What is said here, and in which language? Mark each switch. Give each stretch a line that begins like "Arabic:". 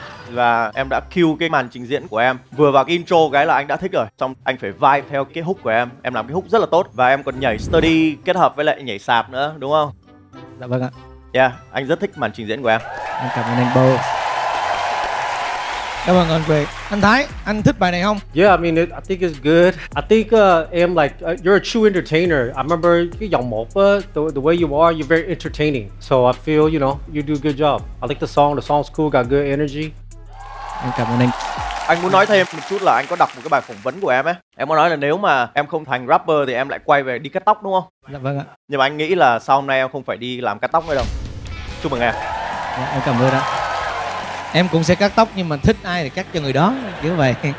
Vietnamese: Và em đã cue cái màn trình diễn của em. Vừa vào cái intro cái là anh đã thích rồi. Xong anh phải vibe theo cái hook của em. Em làm cái hook rất là tốt. Và em còn nhảy study kết hợp với lại nhảy sạp nữa, đúng không? Dạ vâng ạ. Yeah, anh rất thích màn trình diễn của em. Em cảm ơn anh Bo. Cảm ơn anh Quỳ. Anh Thái, anh thích bài này không?
English: Yeah, I mean, I think it's good. I think em like, you're a true entertainer. I remember
Vietnamese: cái giọng một,
English: the way you are, you're very entertaining. So I feel, you know, you do a good job. I like the song's cool, got good energy.
Vietnamese: Em cảm ơn anh. Anh muốn nói thêm một chút là anh có đọc một cái bài phỏng vấn của em ấy. Em có nói là nếu mà em không thành rapper thì em lại quay về đi cắt tóc đúng không? Dạ vâng ạ. Nhưng mà anh nghĩ là sau hôm nay em không phải đi làm cắt tóc nữa đâu. Chúc mừng em. Yeah, em cảm ơn ạ. Em cũng sẽ cắt tóc nhưng mà thích ai thì cắt cho người đó, kiểu vậy.